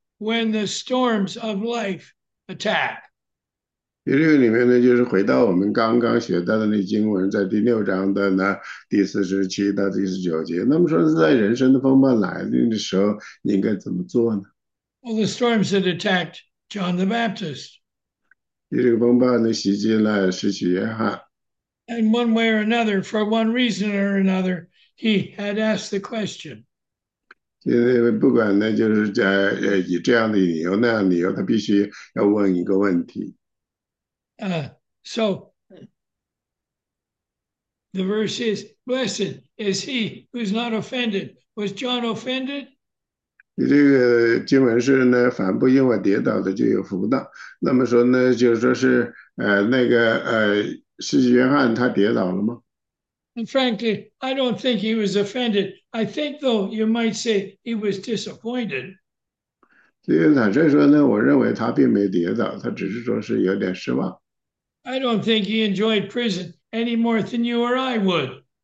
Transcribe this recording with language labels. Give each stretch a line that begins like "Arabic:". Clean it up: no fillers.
English: When the storms of life attack.
Chinese: 这个里面呢，就是回到我们刚刚学到的那经文，在第6章的呢第47到第49节。那么说，在人生的风暴来临的时候，你应该怎么做呢？
English: Well, the storms that attacked John the Baptist.
Chinese: 你这个风暴呢，袭击了施洗约翰。
English: And one way or another, for one reason or another, he had asked the question.
Chinese: 因为不管呢，就是以这样的理由那样的理由，他必须要问一个问题。
English: So the verse is, blessed is he who's not offended. Was John offended?
Chinese: 这个经文是呢，凡不因我跌倒的就有福的。那么说呢，就是说是那个使徒约翰他跌倒了吗？
English: And frankly, I don't think he was offended. I think, though, you might say he was disappointed.
Chinese: 所以坦率说呢，我认为他并没跌倒，他只是说是有点失望。
English: I don't think he enjoyed prison any more than you or I would.